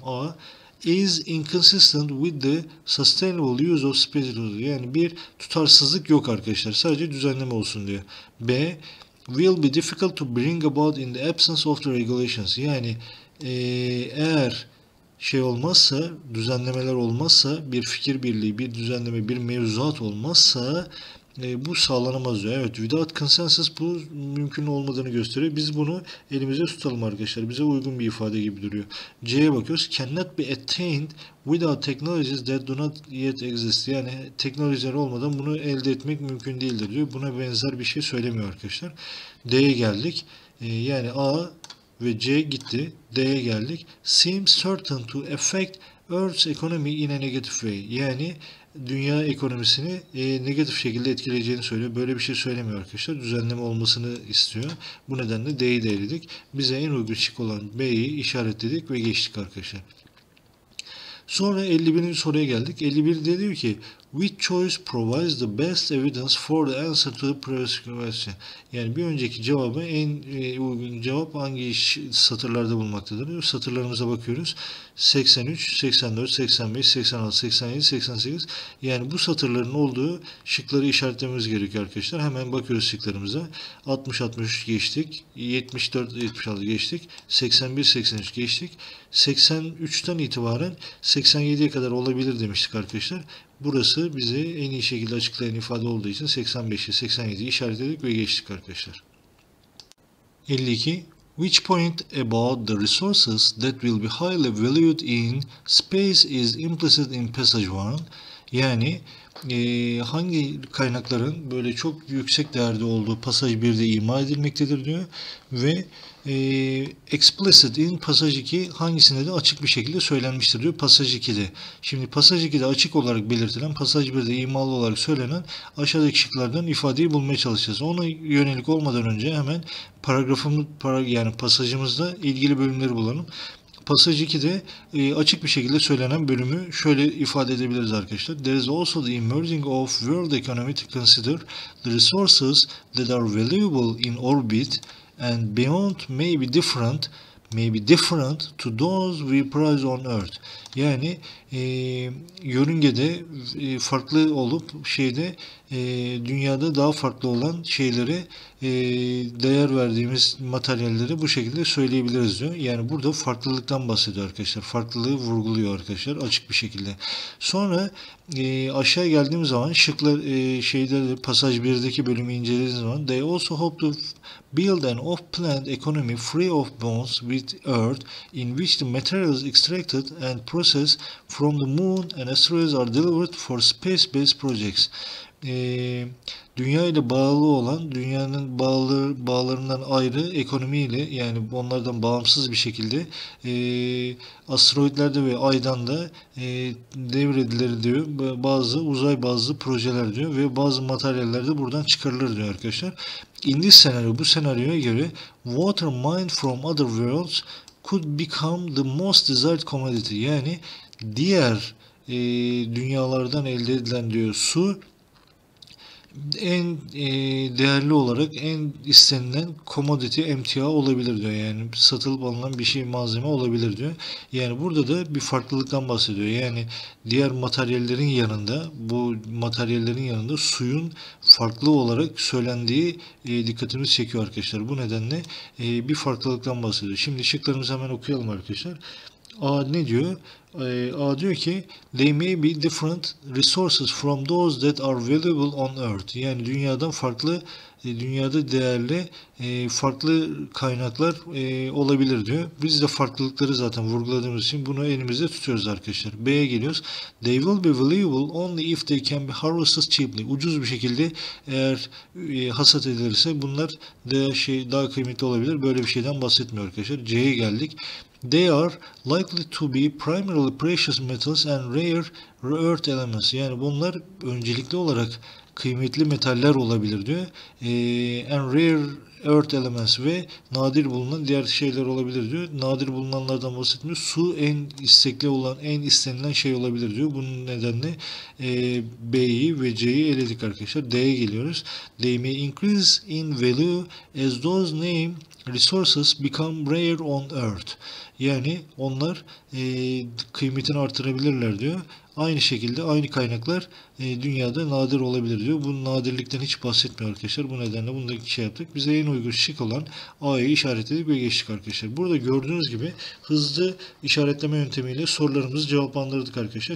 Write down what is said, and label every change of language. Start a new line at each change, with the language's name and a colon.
English: A is inconsistent with the sustainable use of space.
Turkish: Yani bir tutarsızlık yok arkadaşlar. Sadece düzenleme olsun diyor.
English: B will be difficult to bring about in the absence of the regulations.
Turkish: Yani eğer şey olmazsa, düzenlemeler olmazsa, bir fikir birliği, bir düzenleme, bir mevzuat olmazsa bu sağlanamaz diyor. Evet,
English: without consensus
Turkish: bu mümkün olmadığını gösteriyor. Biz bunu elimize tutalım arkadaşlar. Bize uygun bir ifade gibi duruyor. C'ye bakıyoruz.
English: Cannot be attained without technologies that do not yet exist.
Turkish: Yani teknolojiler olmadan bunu elde etmek mümkün değildir diyor. Buna benzer bir şey söylemiyor arkadaşlar. D'ye geldik. Yani A ve C gitti. D'ye geldik.
English: Seems certain to affect Earth's economy in a negative way.
Turkish: Yani dünya ekonomisini negatif şekilde etkileyeceğini söylüyor. Böyle bir şey söylemiyor arkadaşlar. Düzenleme olmasını istiyor. Bu nedenle D'yi de eledik. Bize en uygun şık olan B'yi işaretledik ve geçtik arkadaşlar. Sonra 51. soruya geldik. 51 de diyor ki
English: which choice provides the best evidence for the answer to the previous question?
Turkish: Yani bir önceki cevabı en uygun cevap hangi satırlarda bulmaktadır? Satırlarımıza bakıyoruz. 83, 84, 85, 86, 87, 88. Yani bu satırların olduğu şıkları işaretlememiz gerekiyor arkadaşlar. Hemen bakıyoruz şıklarımıza. 60, 63 geçtik. 74, 76 geçtik. 81, 83 geçtik. 83'ten itibaren 87'ye kadar olabilir demiştik arkadaşlar. Burası bize en iyi şekilde açıklayan ifade olduğu için 85'i, 87'yi işaretledik ve geçtik arkadaşlar. 52.
English: Which point about the resources that will be highly valued in space is implicit in passage 1?
Turkish: Yani hangi kaynakların böyle çok yüksek değerde olduğu pasaj 1'de ima edilmektedir diyor. Ve
English: explicit in
Turkish: pasaj 2 hangisinde de açık bir şekilde söylenmiştir diyor pasaj 2'de. Şimdi pasaj 2'de açık olarak belirtilen, pasaj 1'de imalı olarak söylenen aşağıdaki şıklardan ifadeyi bulmaya çalışacağız. Ona yönelik olmadan önce hemen yani pasajımızda ilgili bölümleri bulalım. Pasaj 2'de açık bir şekilde söylenen bölümü şöyle ifade edebiliriz arkadaşlar.
English: There is also the emerging of world economy to consider the resources that are valuable in orbit and beyond may be different may be different to those we prize on earth.
Turkish: Yani yörüngede farklı olup şeyde dünyada daha farklı olan şeylere değer verdiğimiz materyalleri bu şekilde söyleyebiliriz diyor. Yani burada farklılıktan bahsediyor arkadaşlar. Farklılığı vurguluyor arkadaşlar açık bir şekilde. Sonra aşağı geldiğimiz zaman şıklar şeyde pasaj 1'deki bölümü incelediğimiz zaman
English: they also hope to build an off-planet economy free of bonds with earth in which the materials extracted and processed from the moon and asteroids are delivered for space-based projects.
Turkish: Dünya ile bağlı olan, dünyanın bağlarından ayrı ekonomiyle yani onlardan bağımsız bir şekilde asteroidlerde ve aydan da devredilir diyor. Bazı uzay bazlı projeler diyor ve bazı materyaller de buradan çıkarılır diyor arkadaşlar.
English: In this scenario,
Turkish: bu senaryoya göre
English: water mined from other worlds could become the most desired commodity.
Turkish: Yani diğer dünyalardan elde edilen diyor su en değerli olarak en istenilen commodity emtia olabilir diyor. Yani satılıp alınan bir şey malzeme olabilir diyor. Yani burada da bir farklılıktan bahsediyor. Yani diğer materyallerin yanında bu materyallerin yanında suyun farklı olarak söylendiği dikkatimiz çekiyor arkadaşlar. Bu nedenle bir farklılıktan bahsediyor. Şimdi şıklarımızı hemen okuyalım arkadaşlar. A ne diyor? A diyor ki
English: they may be different resources from those that are available on earth.
Turkish: Yani dünyadan farklı, dünyada değerli farklı kaynaklar olabilir diyor. Biz de farklılıkları zaten vurguladığımız için bunu elimizde tutuyoruz arkadaşlar. B'ye geliyoruz.
English: They will be valuable only if they can be harvested cheaply.
Turkish: Ucuz bir şekilde eğer hasat edilirse bunlar daha kıymetli olabilir. Böyle bir şeyden bahsetmiyor arkadaşlar. C'ye geldik.
English: They are likely to be primarily precious metals and rare earth elements.
Turkish: Yani bunlar öncelikli olarak kıymetli metaller olabilir diyor.
English: And rare earth elements
Turkish: ve nadir bulunan diğer şeyler olabilir diyor. Nadir bulunanlardan bahsetmiyor. Su en istekli olan, en istenilen şey olabilir diyor. Bunun nedeniyle B'yi ve C'yi eledik arkadaşlar. D'ye geliyoruz.
English: They may increase in value as those named resources become rare on earth.
Turkish: Yani onlar kıymetini artırabilirler diyor. Aynı şekilde aynı kaynaklar dünyada nadir olabilir diyor. Bu nadirlikten hiç bahsetmiyor arkadaşlar. Bu nedenle bunu da şey yaptık. Bize en uygun şık olan A'yı işaretledik ve geçtik arkadaşlar. Burada gördüğünüz gibi hızlı işaretleme yöntemiyle sorularımızı cevaplandırdık arkadaşlar.